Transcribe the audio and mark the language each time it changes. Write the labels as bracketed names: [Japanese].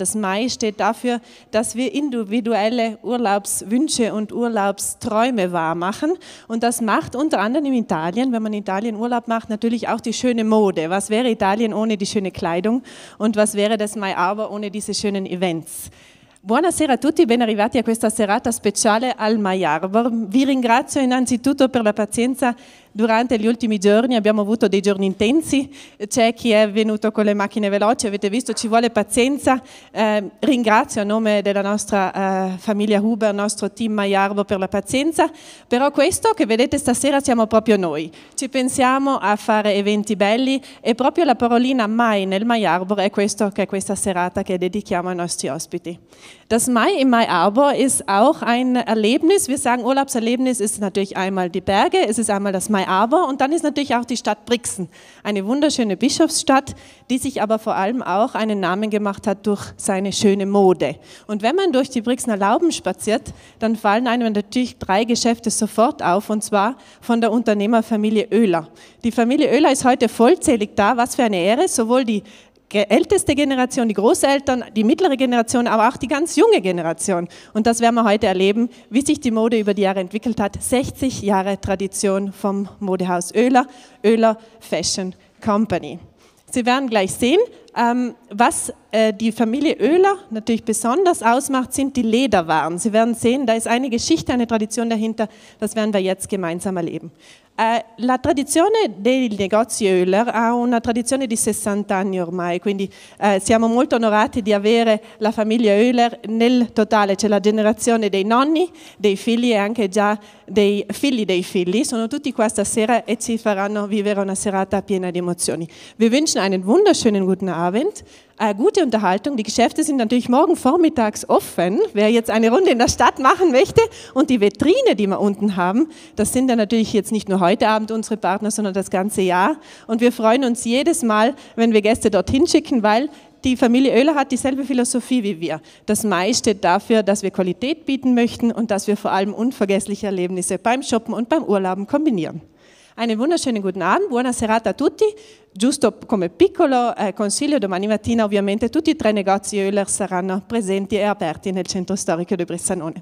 [German] Das Mai steht dafür, dass wir individuelle Urlaubswünsche und Urlaubsträume wahr machen. Und das macht unter anderem in Italien, wenn man in Italien Urlaub macht, natürlich auch die schöne Mode. Was wäre Italien ohne die schöne Kleidung? Und was wäre das MyArbor ohne diese schönen Events? [Italian] Buonasera a tutti, ben arrivati a questa serata speciale al MyArbor. Vi ringrazio innanzitutto per la pazienza durante gli ultimi giorni. Abbiamo avuto dei giorni intensi, c'è chi è venuto con le macchine veloci, avete visto, ci vuole pazienza. Ringrazio a nome della nostra famiglia Huber, nostro team MyArbor per la pazienza. Però questo che vedete stasera siamo proprio noi. Ci pensiamo a fare eventi belli e proprio la parolina Mai nel MyArbor è questo che è questa serata che dedichiamo ai nostri ospiti. [German] Das Mai in MyArbor ist auch ein Erlebnis. Wir sagen, Urlaubserlebnis ist natürlich einmal die Berge, es ist einmal das MyArbor und dann ist natürlich auch die Stadt Brixen, eine wunderschöne Bischofsstadt, die sich aber vor allem auch einen Namen gemacht hat durch seine schöne Mode. Und wenn man durch die Brixener Lauben spaziert, dann fallen einem natürlich drei Geschäfte sofort auf, und zwar von der Unternehmerfamilie Oehler. Die Familie Oehler ist heute vollzählig da, was für eine Ehre, sowohl die älteste Generation, die Großeltern, die mittlere Generation, aber auch die ganz junge Generation. Und das werden wir heute erleben, wie sich die Mode über die Jahre entwickelt hat. 60 Jahre Tradition vom Modehaus Oehler, Oehler Fashion Company. Sie werden gleich sehen, was die Familie Oehler natürlich besonders ausmacht, sind die Lederwaren. Sie werden sehen, da ist eine Geschichte, eine Tradition dahinter, das werden wir jetzt gemeinsam erleben. [Italian] La tradizione dei negozi Oehler ha una tradizione di 60 anni ormai, quindi siamo molto onorati di avere la famiglia Oehler nel totale, c'è la generazione dei nonni, dei figli e anche già dei figli, sono tutti qua stasera e ci faranno vivere una serata piena di emozioni. [German] Vi wünschen einen wunderschönen guten Abend. Gute Unterhaltung. Die Geschäfte sind natürlich morgen vormittags offen, wer jetzt eine Runde in der Stadt machen möchte. Und die Vitrine, die wir unten haben, das sind dann natürlich jetzt nicht nur heute Abend unsere Partner, sondern das ganze Jahr. Und wir freuen uns jedes Mal, wenn wir Gäste dorthin schicken, weil die Familie Oehler hat dieselbe Philosophie wie wir. Das Mai steht dafür, dass wir Qualität bieten möchten und dass wir vor allem unvergessliche Erlebnisse beim Shoppen und beim Urlauben kombinieren. Einen wunderschönen guten Abend, [Italian] buona serata a tutti. Giusto come piccolo consiglio, domani mattina ovviamente tutti i tre negozi Oehler saranno presenti e aperti nel centro storico di Bressanone.